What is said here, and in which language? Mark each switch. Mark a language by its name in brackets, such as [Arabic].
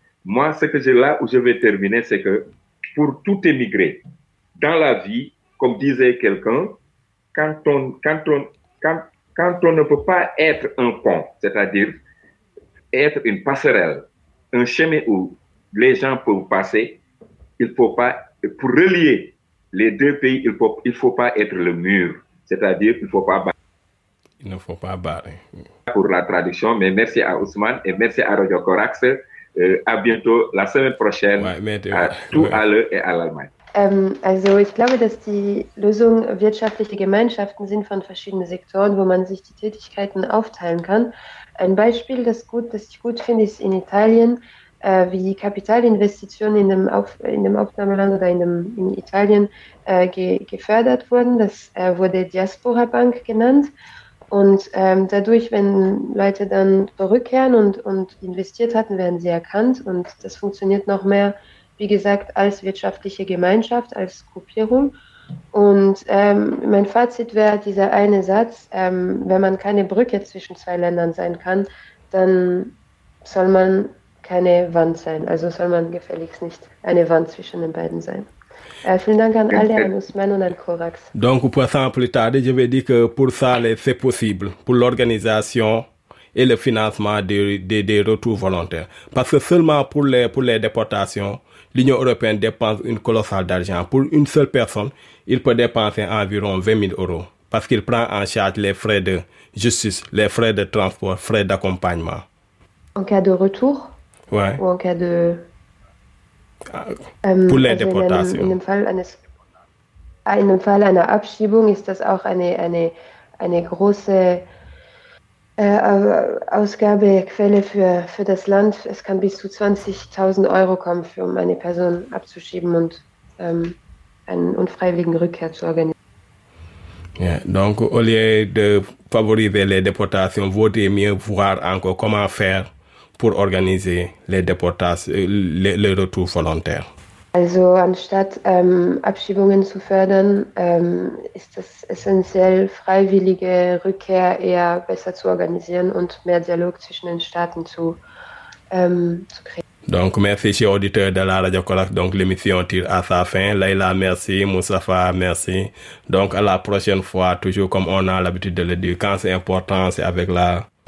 [French] Moi, ce que j'ai là où je vais terminer, c'est que pour tout émigré, dans la vie, comme disait quelqu'un, quand on ne peut pas être un pont, c'est-à-dire être une passerelle, un chemin où les gens peuvent passer, il faut pas, pour relier les deux pays, il faut pas être le mur, c'est-à-dire qu'il faut pas barrer. Il ne faut pas barrer. Pour la traduction, mais merci à Ousmane et merci à Radio Corax. À bientôt, la semaine prochaine, à l'E et à l'Allemagne. [German] Also, ich glaube, dass die Lösung wirtschaftliche Gemeinschaften sind von verschiedenen Sektoren, wo man sich die Tätigkeiten aufteilen kann. Ein Beispiel, das ich gut finde, ist in Italien. wie Kapitalinvestitionen in dem Aufnahmeland oder in Italien gefördert wurden. Das wurde Diaspora Bank genannt. Und dadurch, wenn Leute dann zurückkehren und investiert hatten, werden sie erkannt. Und das funktioniert noch mehr, wie gesagt, als wirtschaftliche Gemeinschaft, als Gruppierung. Und mein Fazit wäre dieser eine Satz, wenn man keine Brücke zwischen zwei Ländern sein kann, dann soll man keine Wand sein. Also soll man gefälligst nicht eine Wand zwischen den beiden sein. Vielen Dank an alle, an Ousmane und an Corax. [French] Donc, pour simple tarder, je vais dire que pour ça, c'est possible, pour l'organisation et le financement des retours volontaires. Parce que seulement pour les déportations, l'Union européenne dépense une colossale d'argent. Pour une seule personne, il peut dépenser environ 20 000 euros parce qu'il prend en charge les frais de justice, les frais de transport, frais d'accompagnement. En cas de retour? Ouais. Ou en cas de... Pour les déportations. [German] In dem Fall einer Abschiebung ist das auch eine große Ausgabequelle für das Land. Es kann bis zu 20.000 Euro kommen, um eine Person abzuschieben und einen unfreiwilligen Rückkehr zu organisieren. [French] Ja, donc au lieu de favoriser les déportations, vaut mieux voir encore comment faire pour organiser les déportations, les retours volontaires. [German] Also anstatt Abschiebungen zu fördern, ist es essentiell, freiwillige Rückkehr eher besser zu organisieren und mehr Dialog zwischen den Staaten zu kreieren. [French] Donc merci chers auditeurs de la Radio Corax. Donc l'émission tire à sa fin. Leïla, merci. Moustapha, merci. Donc à la prochaine fois, toujours comme on a l'habitude de le dire, quand c'est important, c'est avec la...